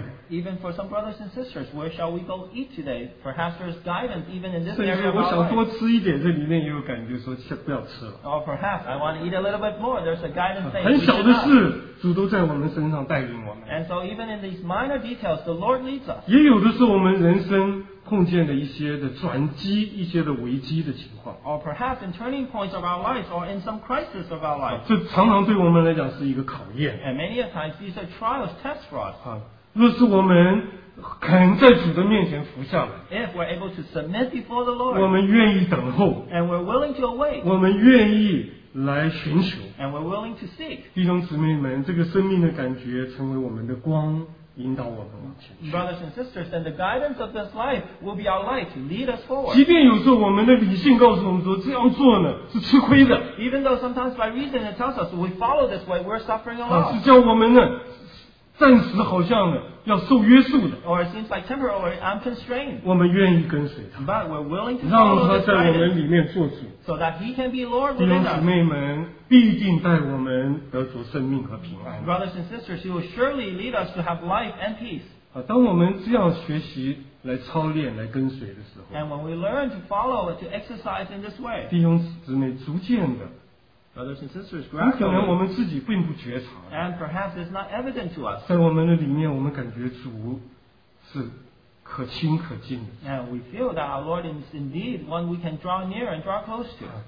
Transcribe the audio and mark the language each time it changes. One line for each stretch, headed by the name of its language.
English: Even for some brothers and sisters, where shall we go eat today? Perhaps there's guidance even in this area.
Chinese: 我想多吃一点，这里面也有感觉说不要吃了。
English: Or perhaps I want to eat a little bit more. There's a guidance saying.
Chinese: 很小的事，主都在我们身上带领我们。
English: And so even in these minor details, the Lord leads us.
Chinese: 也有的是我们人生。碰见的一些的转机，一些的危机的情况。
English: Or perhaps in turning points of our lives, or in some crisis of our lives.
Chinese: 这常常对我们来讲是一个考验。
English: And many a times these are trials, tests for us.
Chinese: 若是我们肯在主的面前服下来,
English: if we're able to submit before the Lord,
Chinese: 我们愿意等候,
English: and we're willing to await,
Chinese: 我们愿意来寻求,
English: and we're willing to seek,
Chinese: 弟兄姊妹们, 这个生命的感觉成为我们的光, 引导我们往前去,
English: brothers and sisters, then the guidance of this life will be our light to lead us forward.
Chinese: 即便有时候我们的理性告诉我们说这样做呢是吃亏的,
English: even though sometimes by reason it tells us we follow this way, we're suffering a loss.
Chinese: 是叫我们呢暂时好像呢要受约束的,
English: or it seems like temporarily I'm constrained.
Chinese: 我们愿意跟随他,
English: but we're willing to follow this guidance,
Chinese: 让他在我们里面做主,
English: so that he can be Lord within us.
Chinese: 弟兄姊妹们, 必定带我们得着生命和平安。
English: Brothers and sisters, he will surely lead us to have life and peace.
Chinese: 当我们这样学习来操练来跟随的时候,
English: and when we learn to follow, to exercise in this way,
Chinese: 弟兄姊妹逐渐的,
English: brothers and sisters, gradually,
Chinese: 可能我们自己并不觉察,
English: and perhaps it's not evident to us,
Chinese: 在我们的里面我们感觉主是 可亲可近,
English: and we feel that our Lord is indeed one we can draw near and draw close to.